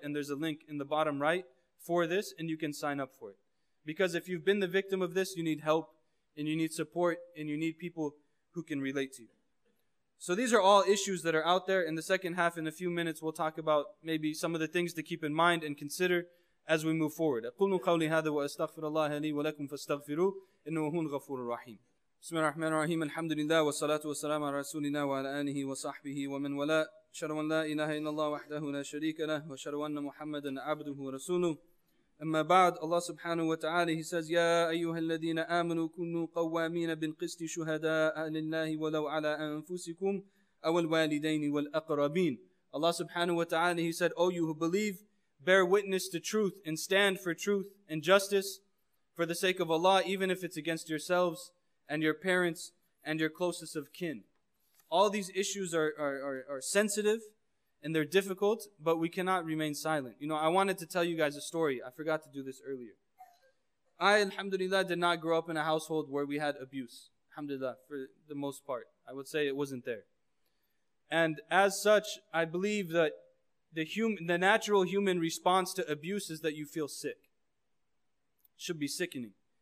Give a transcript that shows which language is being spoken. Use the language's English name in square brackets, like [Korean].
[English] And there's a link in the bottom right for this. And you can sign up for it. Because if you've been the victim of this, you need help. And you need support. And you need people who can relate to you. So these are all issues that are out there. In the second half, in a few minutes, we'll talk about maybe some of the things to keep in mind and consider as we move forward. [Arabic] أَقُلُّ قَوْلِ هَذَا وَأَسْتَغْفِرَ اللَّهَ لِي وَلَكُمْ فَاسْتَغْفِرُوا إِنَّهُ هُوَ الْغَفُورُ الرَّحِيمُ بسم الله الرحمن الرحيم الحمد لله والصلاة والسلام على رسولنا وعلى آله وصحبه ومن ولا شر أن لا إله إلا الله وحده لا شريك له وشر أن محمدا عبده ورسوله أما بعد الله سبحانه وتعالى [English] he says [Arabic] يا أيها الذين آمنوا كونوا قوامين بالقسط شهداء لله ولو على أنفسكم أو الوالدين والأقربين الله سبحانه وتعالى [English] he said O you who believe bear witness to truth and stand for truth and justice for the sake of Allah even if it's against yourselves and your parents and your closest of kin all these issues are sensitive And they're difficult, but we cannot remain silent. You know, I wanted to tell you guys a story. I forgot to do this earlier. I, alhamdulillah, did not grow up in a household where we had abuse. Alhamdulillah, for the most part. I would say it wasn't there. And as such, I believe that the natural human response to abuse is that you feel sick. It should be sickening.